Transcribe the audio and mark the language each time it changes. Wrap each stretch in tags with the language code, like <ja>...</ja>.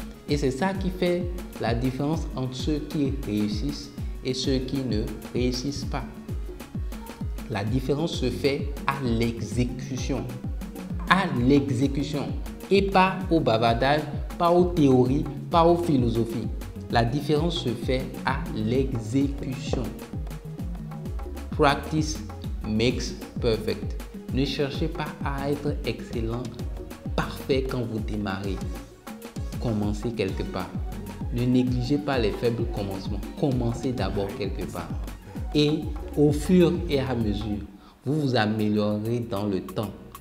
<fr>Et c'est ça qui fait la différence entre ceux qui réussissent et ceux qui ne réussissent pas. La différence se fait à l'exécution. À l'exécution. Et pas au bavardage, pas aux théories, pas aux philosophies. La différence se fait à l'exécution.</fr> <en>Practice makes perfect.</en> <fr>Ne cherchez pas à être excellent, parfait quand vous démarrez. Commencez quelque part. Ne négligez pas les faibles commencements. Commencez d'abord quelque part. Et au fur et à mesure, vous vous améliorerez dans le temps.</fr>